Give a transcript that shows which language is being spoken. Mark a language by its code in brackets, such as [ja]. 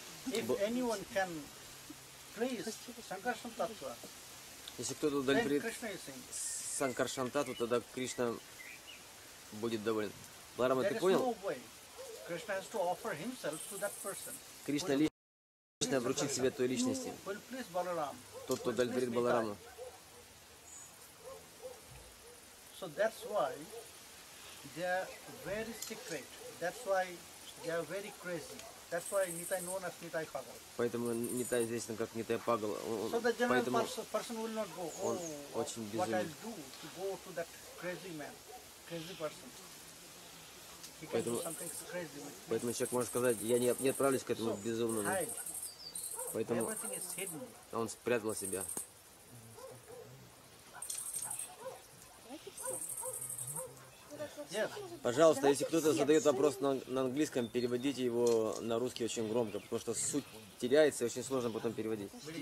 [en] If anyone can please Sankarsana Tattva, then Krishna is saying, Sankarsana Tattva, then Krishna [ru] будет доволен. Баларама, ты понял? [en] Krishna has to offer himself to that person. [ru] Кришна лично вручит себе той личности. Тот, кто удовлетворит Балараму. [en] So that's why they are very secret. That's why they are very crazy. That's why Nitai known as Nitai Pagal. [ru] Поэтому Нитай известен как Нитай Пагал. [en] So the general person will not go. Oh, what I'll do to go to that crazy man, crazy person. [ru] Поэтому человек может сказать, я не отправлюсь к этому безумному. Поэтому он спрятал себя. Пожалуйста, если кто-то задает вопрос на английском, переводите его на русский очень громко, потому что суть теряется, и очень сложно потом переводить.